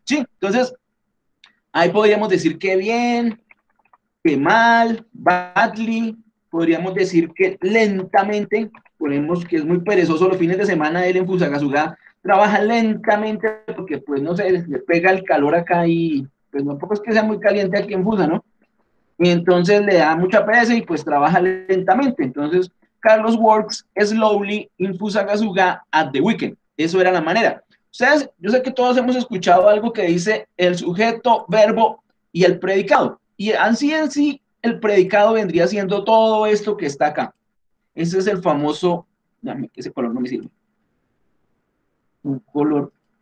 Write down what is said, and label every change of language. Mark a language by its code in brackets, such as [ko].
[es] Sí, entonces ahí podríamos decir qué bien, qué mal, badly, podríamos decir que lentamente, ponemos que es muy perezoso los fines de semana él en Fusagasugá. Trabaja lentamente porque, pues, no sé, le pega el calor acá y, pues, no, tampoco es que sea muy caliente aquí en Fusa, ¿no? Y entonces le da mucha pereza y, pues, trabaja lentamente. Entonces, [en] Carlos works slowly in Fusagasugá at the weekend. [es] Eso era la manera. Ustedes, yo sé que todos hemos escuchado algo que dice el sujeto, verbo y el predicado. Y así en sí, el predicado vendría siendo todo esto que está acá. Ese es el famoso, dame, ese color no me sirve. Un color.